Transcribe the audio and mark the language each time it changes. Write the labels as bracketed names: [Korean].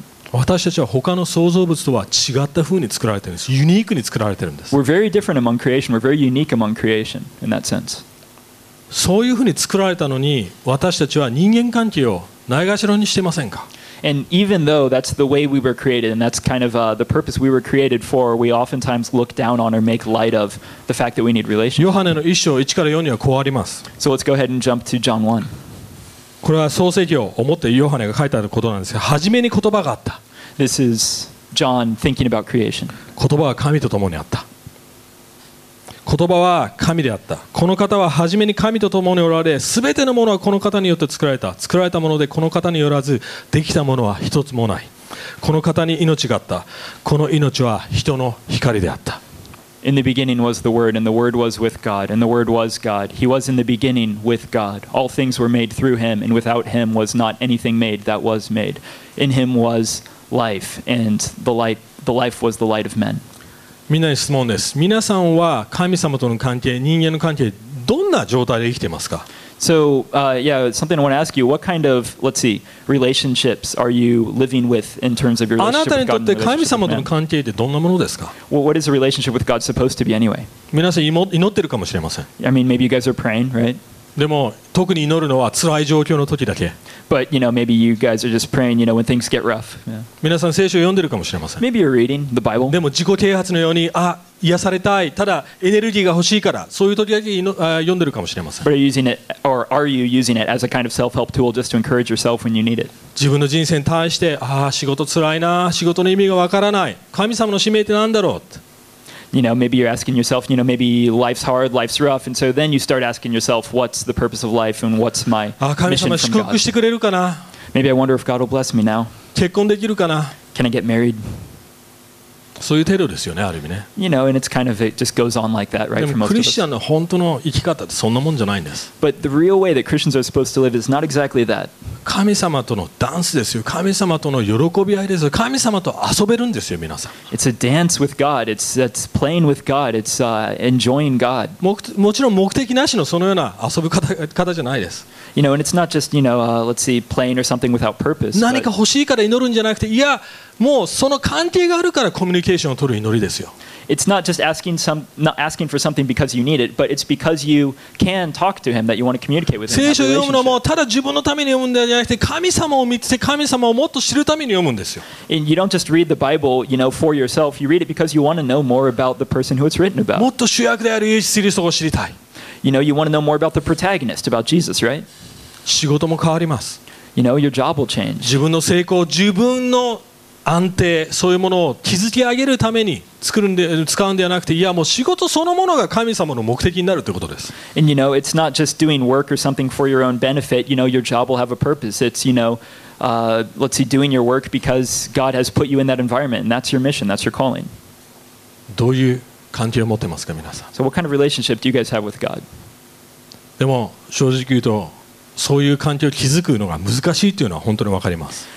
[Japanese] 私たちは他の創造物とは違った風に作られてるんです。ユニークに作られてるんです。 [English] We're very different among creation. We're very unique among creation in that sense. [Japanese] そういう風に作られたのに私たちは人間関係をないがしろにしてませんか。 [English] And even though that's the way we were created, and that's kind of the purpose we were created for, we oftentimes look down on or make light of the fact that we need relationships. [Japanese] ヨハネの1章1から4にはこうあります。 [English] So let's go ahead and jump to John 1. [Japanese] これは創世記を思ってヨハネが書いてあることなんですが、初めに言葉があった。 [English] This is John thinking about creation. [Japanese] 言葉は神と共にあった。言葉は神であった。この方は初めに神と共におられ、すべてのものはこの方によって作られた。作られたものでこの方によらず、できたものは一つもない。この方に命があった。この命は人の光であった。 [English] In the beginning was the Word, and the Word was with God, and the Word was God. He was in the beginning with God. All things were made through Him, and without Him was not anything made that was made. In Him was life, and the life was the light of men. [Japanese] みんなに質問です。皆さんは神様との関係、人間の関係、どんな状態で生きてますか？ [English] So, yeah, something I want to ask you. What kind of, let's see, relationships are you living with in terms of your relationship with God? [Japanese] あなたにとって神様との関係ってどんなものですか？ [English] Well, what is a relationship with God supposed to be anyway? [Japanese] 皆さん祈ってるかもしれません。 [English] I mean, maybe you guys are praying, right? [Japanese] でも特に祈るのは辛い状況の時だけ。 [English] But, you know, maybe you guys are just praying, you know, when things get rough. Yeah. [Japanese] 皆さん聖書を読んでるかもしれません。 [English] Maybe you're reading the Bible. [Japanese] でも自己啓発のように、あ、癒されたい、ただエネルギーが欲しいから、そういう時だけ読んでるかもしれません。 [English] But are you using it as a kind of self-help tool just to encourage yourself when you need it? [Japanese] 自分の人生に対して、ああ、仕事辛いな、仕事の意味がわからない、神様の使命って何だろうって。 [English] You know, maybe you're asking yourself, you know, maybe life's hard, life's rough, and so then you start asking yourself, what's the purpose of life and what's my mission from God? Maybe I wonder if God will bless me now. Can I get married? [Japanese] そういう程度ですよね、ある意味ね。 [English] You know, and it's kind of, it just goes on like that, right, for most of us. [Japanese] でもクリスチャンの本当の生き方ってそんなもんじゃないんです。 [English] But the real way that Christians are supposed to live is not exactly that. [Japanese] 神様とのダンスですよ。神様との喜び合いですよ。神様と遊べるんですよ、皆さん。 [English] It's a dance with God. It's playing with God. It's enjoying God. [Japanese] もちろん目的なしのそのような遊ぶ方じゃないです。 [English] You know, and it's not just, you know, let's see, playing or something without purpose. [Japanese] 何か欲しいから祈るんじゃなくて、いや、もうその関係があるからコミュニケーションを取る祈りですよ。 [English] It's not just asking for something because you need it, but it's because you can talk to him that you want to communicate with him. [Japanese] 聖書を読むのもただ自分のために読むんじゃなくて、神様を見つけ、神様をもっと知るために読むんですよ。 [English] And you don't just read the Bible, you know, for yourself. You read it because you want to know more about the person who it's written about. [Japanese] もっと主役であるイエス・キリストを知りたい。 [English] You know, you want to know more about the protagonist, about Jesus, right? [Japanese] 仕事も変わります。 [English] You know, your job will change. [Japanese] 自分の成功、自分の安定、そういうものを築き上げるために作るんで使うんではなくて、いやもう仕事そのものが神様の目的になるということです。 [English] And you know, it's not just doing work or something for your own benefit. You know, your job will have a purpose. It's, you know, let's see, doing your work because God has put you in that environment, and that's your mission, that's your calling. [Japanese] どういう関係を持ってますか、皆さん。 [English] So what kind of relationship do you guys have with God? [Japanese] でも正直言うと、そういう関係を築くのが難しいというのは本当にわかります。